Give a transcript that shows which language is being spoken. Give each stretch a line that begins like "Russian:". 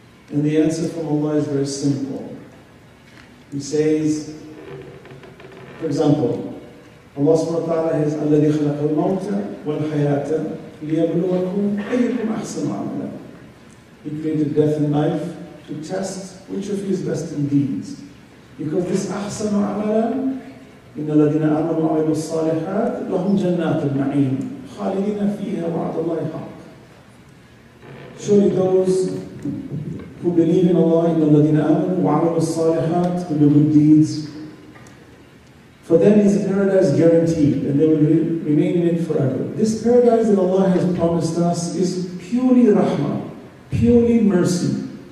English: And the answer from Allah is very simple. He says, for example, Allah subhanahu wa ta'ala has
Arabic: الَّذِي خَلَقَ الْمَوْتَ وَالْحَيَاةَ لِيَبْلُوَكُمْ أَيُّكُمْ أَحْسَنُ عَمَلًا.
English: He created death and life to test which of you is best in deeds. Because this
Arabic: أَحْسَنُ عَمَلًا إِنَّ الَّذِينَ آمَنُوا وَعَمِلُوا الصَّالِحَاتِ لَهُمْ جَنَّاتُ النَّعِيمِ خالدين فيها وعد الله حق.
English: Surely those who believe in Allah,
Arabic: إن الذين آمنوا وعملوا الصالحات
English: and the good deeds, for them is a paradise guaranteed, and they will remain in it forever. This paradise that Allah has promised us is purely rahmah, purely mercy.